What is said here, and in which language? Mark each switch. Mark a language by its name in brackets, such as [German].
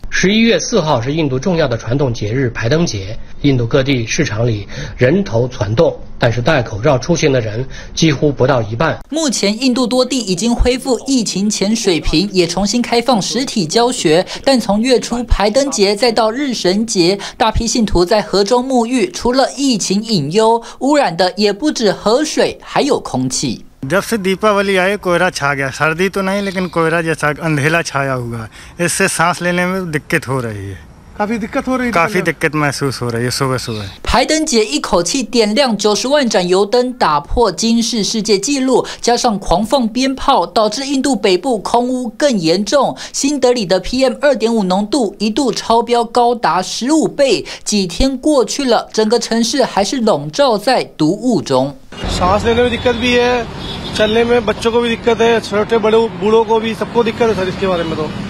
[Chinese] 11月4号是印度重要的传统节日排灯节，印度各地市场里人头攒动，但是戴口罩出行的人几乎不到一半。目前印度多地已经恢复疫情前水平，也重新开放实体教学，但从月初排灯节再到日神节，大批信徒在河中沐浴，除了疫情隐忧，污染的也不止河水，还有空气。 [Hindi] जब से दीपावली आई कोहरा छा गया, सर्दी तो नहीं लेकिन कोहरा जैसा अंधेरा छाया हुआ है, इससे सांस लेने में दिक्कत हो रही है। काफी दिक्कत महसूस हो रही है सुबह सुबह। [Chinese] 排灯节一口气点亮90万盏油灯，打破今世世界纪录，加上狂放鞭炮，导致印度北部空污更严重。新德里的 PM2.5 浓度一度超标高达15倍。几天过去了，整个城市还是笼罩在毒雾中。 [Hindi] सांस लेने में दिक्कत भी है, चलने में बच्चों को भी दिक्कत है, छोटे बड़े बूढ़ों को भी सबको दिक्कत है सर इसके बारे में तो।